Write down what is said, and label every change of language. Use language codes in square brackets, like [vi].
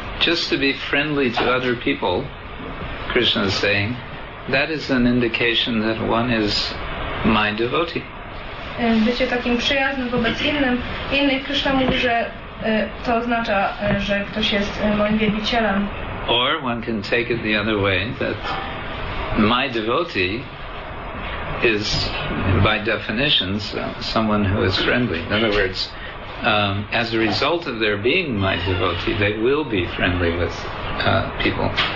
[en] Just to be friendly to other people, Krishna is saying, that is an indication that one is my devotee. [pl] Bycie takim przyjaznym wobec innych, Krishna mówi, że to oznacza, że ktoś jest moim wielbicielem. [en] Or one can take it the other way, that my devotee is by definition someone who is friendly. In other words, as a result of their being my devotee, they will be friendly with people.